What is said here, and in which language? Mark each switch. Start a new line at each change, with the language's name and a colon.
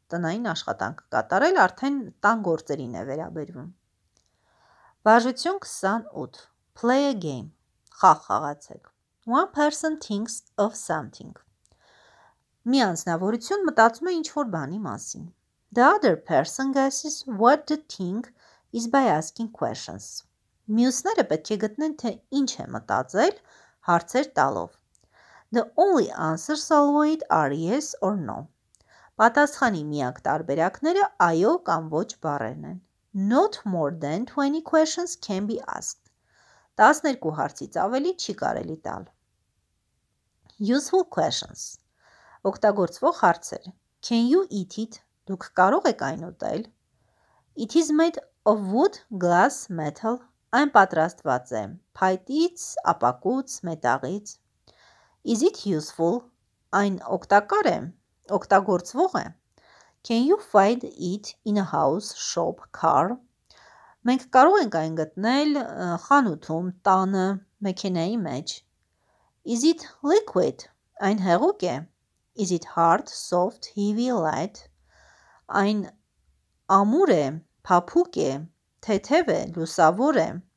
Armenian: Տնային աշխատանք կատարել, արդեն տան գործերին է վերաբերվում։ Բաժություն 28.
English: Play a game.
Armenian: Խաղ խաղացեք։
English: One person thinks of something.
Armenian: Մի անձնավորություն մտածում է ինչ-որ բանի մասին։
English: The other person guesses what the thing is by asking questions.
Armenian: Մյուսները պետք է գտնեն, թե ինչ է մտածել, հարցեր տալով։
English: The only answers always are yes or no.
Armenian: Պատասխանի միակ տարբերակները այո կամ ոչ բառերն են։
English: Not more than 20 questions can be asked.
Armenian: 12 հարցից ավելի չի կարելի տալ։
English: Useful questions.
Armenian: Օգտագործվող հարցեր։
English: Can you eat it?
Armenian: Դուք կարող եք այն ուտել։
English: It is made of wood, glass, metal.
Armenian: Այն պատրաստված է փայտից, ապակուց, մետաղից։
English: Is it useful?
Armenian: Այն օգտակար է, օգտագործվող է։
English: Can you find it in a house, shop, car?
Armenian: Մենք կարող ենք այն գտնել խանութում, տանը, մեքենայի մեջ։
English: Is it liquid?
Armenian: Այն հեղուկ է։
English: Is it hard, soft, heavy, light?
Armenian: Այն ամուր է, փափուկ է, թեթև է, լուսավոր է։